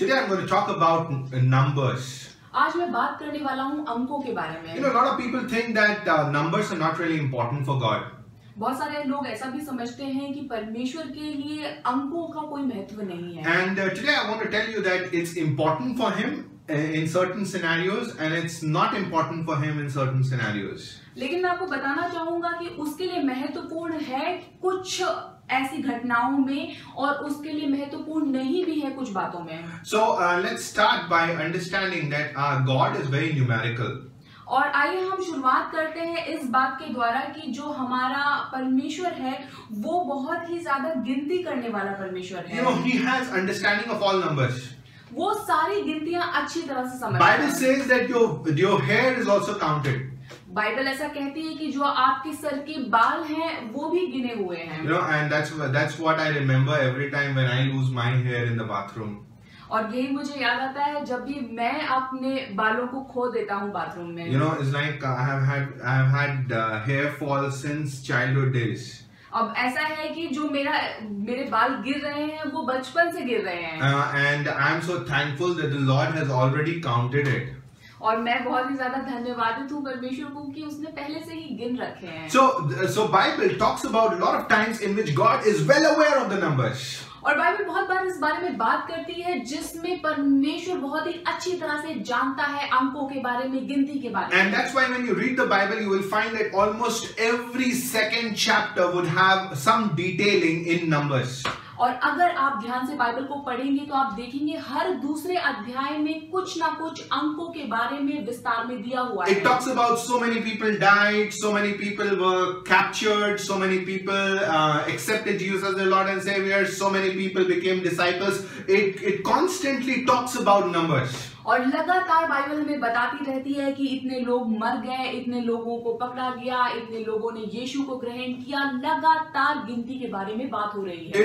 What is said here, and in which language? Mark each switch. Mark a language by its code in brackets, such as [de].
[en] Today I'm going to talk about numbers. [hi] आज मैं बात करने वाला हूँ अंकों के बारे में. [en] You know, a lot of people think that numbers are not really important for God. [hi] बहुत सारे लोग ऐसा भी समझते हैं कि परमेश्वर के लिए अंकों का कोई महत्व नहीं है. [en] And today I want to tell you that it's important for Him in certain scenarios and it's not important for Him in certain scenarios. [hi] लेकिन मैं आपको बताना चाहूँगा कि उसके लिए महत्वपूर्ण है कुछ ऐसी घटनाओं में और उसके लिए महत्वपूर्ण नहीं भी है कुछ बातों में. [en] So let's start by understanding that our God is very numerical. [hi] और आइए हम शुरुआत करते हैं इस बात के द्वारा कि जो हमारा परमेश्वर है वो बहुत ही ज्यादा गिनती करने वाला परमेश्वर है. [en] You know, he has understanding of all numbers. [hi] वो सारी गिनतियां अच्छी तरह से समझता है. [en] Bible says that your hair is also counted. [hi] Bible ऐसा कहती है कि जो आपके सर के बाल हैं वो भी गिने हुए हैं. [en] You know, and that's what I remember every time when I lose my hair in the bathroom. [hi] और यही मुझे याद आता है जब भी मैं अपने बालों को खो देता हूँ बाथरूम में. [en] You know, it's like I have had hair fall since childhood days. [hi] अब ऐसा है कि जो मेरे बाल गिर रहे हैं वो बचपन से गिर रहे हैं. [en] And I'm so thankful that the Lord has already counted it. [hi] और मैं बहुत ही ज्यादा धन्यवादित हूँ परमेश्वर को कि उसने पहले से ही गिन रखे हैं. [en] So Bible talks about a lot of times in which God is well aware of the numbers. [hi] और बाइबल बहुत बार इस बारे में बात करती है जिसमें परमेश्वर बहुत ही अच्छी तरह से जानता है अंकों के बारे में, गिनती के बारे में. [en] And that's why when you read the Bible, you will find that almost every second chapter would have some detailing in numbers. [hi] और अगर आप ध्यान से बाइबल को पढ़ेंगे तो आप देखेंगे हर दूसरे अध्याय में कुछ ना कुछ अंकों के बारे में विस्तार में दिया हुआ है. [en] It talks about so many people died, so many people were captured, so many people accepted Jesus as their Lord and Savior, so many people became disciples. It constantly talks about numbers. [hi] और लगातार Bible में बताती रहती है कि इतने लोग मर गए, इतने लोगों को पकड़ा गया, इतने लोगों ने यीशु को ग्रहण किया. लगातार गिनती के बारे में बात हो रही है.